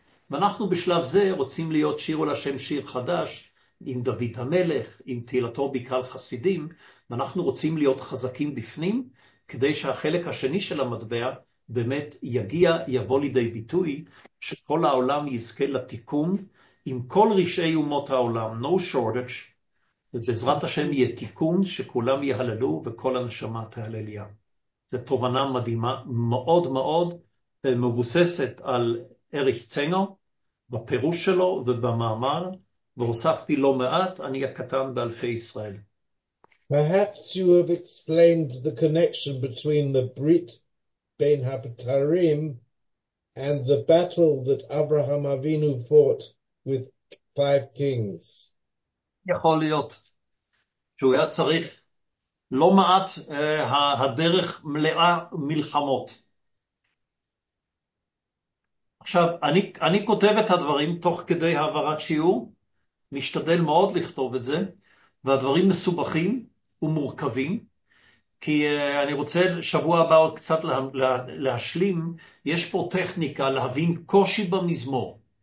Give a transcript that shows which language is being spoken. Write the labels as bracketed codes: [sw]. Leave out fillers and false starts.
[he] ואנחנו בשלב זה רוצים להיות שירו לשם שיר חדש, עם דוד המלך, עם תהילתו בקהל חסידים, ואנחנו רוצים להיות חזקים בפנים, כדי שהחלק השני של המטבע באמת יגיע, יבוא לידי ביטוי, שכל העולם יזכה לתיקון, עם כל רשעי אומות העולם, [en] no shortage, [he] ובעזרת השם יהיה תיקון שכולם יהללו וכל הנשמה תהלליה. זו תובנה מדהימה, מאוד מאוד, מבוססת על אריך צנגו, בפירוש שלו ובמאמר, והוספתי לא מעט, אני הקטן באלפי ישראל. [en] Perhaps you have explained the connection between the Brit Ben Hapatarim and the battle that Abraham Avinu fought with 5 kings. [he] יכול להיות שהוא היה צריך לא מעט הדרך מלאה מלחמות. עכשיו, אני כותב את הדברים תוך כדי העברת שיעור, משתדל מאוד לכתוב את זה, והדברים מסובכים ומורכבים, כי אני רוצה שבוע הבא עוד קצת להשלים, יש פה טכניקה להבין קושי במזמור.